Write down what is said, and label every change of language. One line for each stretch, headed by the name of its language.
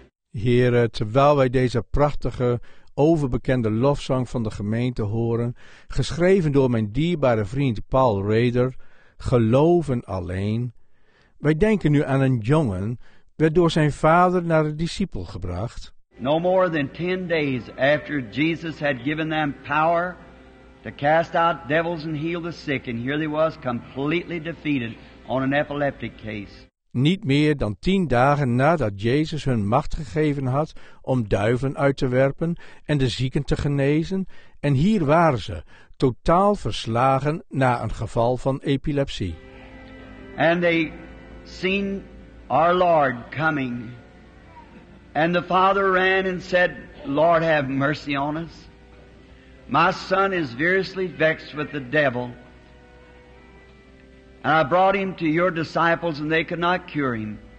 Dutch: Heere, terwijl wij deze prachtige, overbekende lofzang van de gemeente horen, geschreven door mijn dierbare vriend Paul Rader, geloven alleen. Wij denken nu aan een jongen, werd door zijn vader naar de discipel gebracht.
English: No more than 10 days after Jesus had given them power to cast out devils and heal the sick, and here they was completely defeated on an epileptic case.
Dutch: Niet meer dan 10 dagen nadat Jezus hun macht gegeven had om duiven uit te werpen en de zieken te genezen. En hier waren ze, totaal verslagen na een geval van epilepsie.
English: And they seen our Lord coming. And the father ran and said, Lord, have mercy on us. My son is seriously vexed with the devil. And I brought him to your disciples, and they could not cure him.